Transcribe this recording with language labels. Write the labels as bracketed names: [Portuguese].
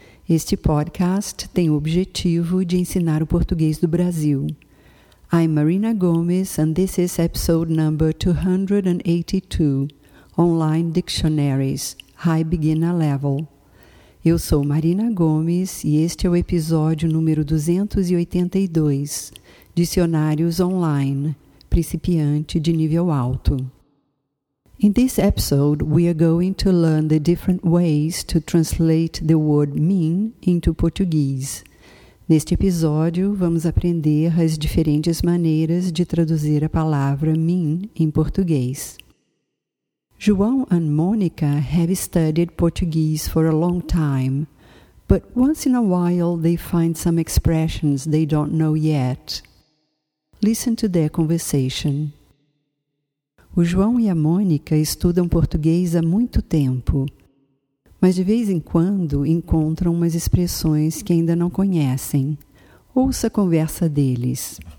[Portuguese] Este podcast tem o objetivo de ensinar o português do Brasil. [English] I'm Marina Gomes, and this is episode number 282, Online Dictionaries, High Beginner Level. [Portuguese] Eu sou Marina Gomes, e este é o episódio número 282, Dicionários Online, Principiante de Nível Alto. [English] In this episode, we are going to learn the different ways to translate the word mean into Portuguese. [Portuguese] Neste episódio, vamos aprender as diferentes maneiras de traduzir a palavra mean em português. [English] João and Mônica have studied Portuguese for a long time, but once in a while they find some expressions they don't know yet. Listen to their conversation. [Portuguese] O João e a Mônica estudam português há muito tempo, mas de vez em quando encontram umas expressões que ainda não conhecem. Ouça a conversa deles.